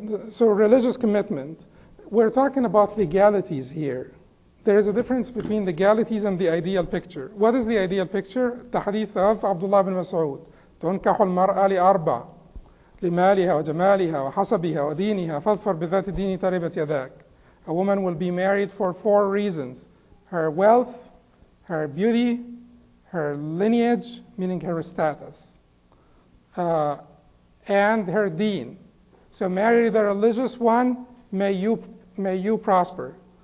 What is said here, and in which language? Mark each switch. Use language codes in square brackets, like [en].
[en] So religious commitment. We're talking about legalities here. There is a difference between legalities and the ideal picture. What is the ideal picture? The hadith of Abdullah bin Mas'ud. [ar] تُنْكَحُ الْمَرْأَ لِأَرْبَعْ لِمَالِهَا وَجَمَالِهَا وَحَسَبِهَا وَدِينِهَا فَاظْفَرْ بِذَاتِ دِينِ تَرِبَتْ يَذَاكَ. [en] A woman will be married for four reasons. Her wealth, her beauty, her lineage, meaning her status, and her deen. So marry the religious one, may you prosper.